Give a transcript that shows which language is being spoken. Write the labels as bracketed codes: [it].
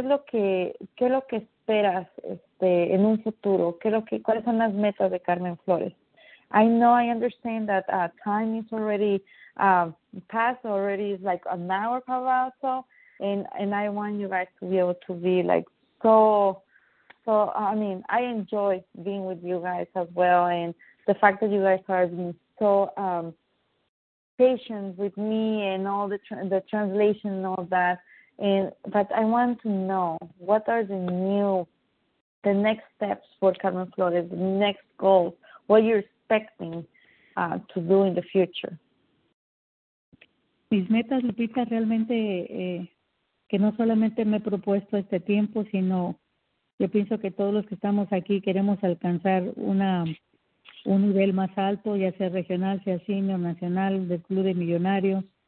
[es] ¿Qué es lo que esperas en un futuro? ¿Cuáles son las metas de Carmen Flores? [en] I know, I understand that time is already passed, already is like an hour probably, so. And I want you guys to be able to be like so. I mean, I enjoy being with you guys as well, and the fact that you guys are being so patience with me and all the translation and all that. But I want to know, what are the next steps for Carmen Flores, the next goals, what you're expecting to do in the future? [es] Mis metas, Lupita, realmente que no solamente me he propuesto este tiempo, sino yo pienso que todos los que estamos aquí queremos alcanzar un nivel más alto, ya sea regional, sea cine o nacional, del Club de Millonarios.